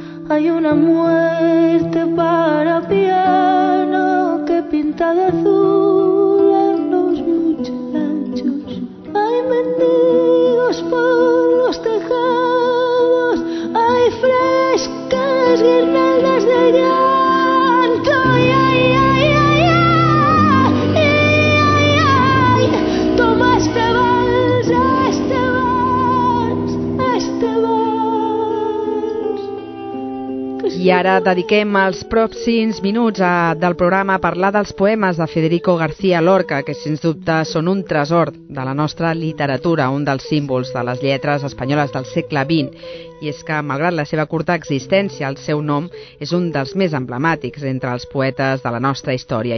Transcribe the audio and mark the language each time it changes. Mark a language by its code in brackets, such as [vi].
[es] Hay una muerte para piano que pinta de azul en los muchachos. Hay mendigos por los tejados, hay frescas guirnaldas de llanto. ¡Ay, ay, ay, ay, ay! ¡Ay, ay, ay! Toma este vals, este vals, este vals. [ca] I ara dediquem els pròxims minuts del programa a parlar dels poemes de Federico García Lorca, que sens dubte són un tresor de la nostra literatura, un dels símbols de les lletres espanyoles del segle XX. I és que, malgrat la seva curta existència, el seu nom és un dels més emblemàtics entre els poetes de la nostra història.